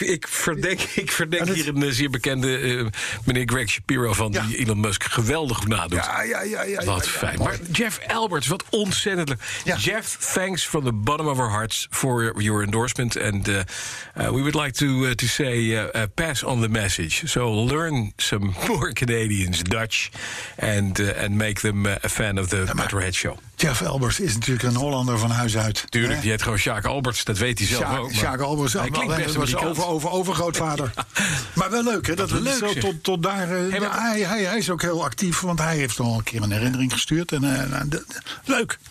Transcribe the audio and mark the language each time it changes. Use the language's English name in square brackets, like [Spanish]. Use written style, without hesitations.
[Dutch] Ik verdenk hier een zeer bekende meneer Greg Shapiro van die Elon Musk geweldig nadoet. Ja. Wat fijn. Maar Jeff Albert, wat ontzettend leuk. Ja. [English] Jeff, thanks from the bottom of our hearts for your endorsement. And we would like to say, pass on the message. So learn some more Canadians, Dutch, and make them a fan of the Metalhead Show. [Dutch] Jeff Albers is natuurlijk een Hollander van huis uit. Tuurlijk, hè? Die heet gewoon Sjaak Albers, dat weet hij zelf ook. Sjaak Albers, hij klinkt best wel overgrootvader. Ja. Maar wel leuk, hè? Dat is leuk. Zo, tot daar, hij is ook heel actief, want hij heeft nog een keer een herinnering gestuurd. En, leuk.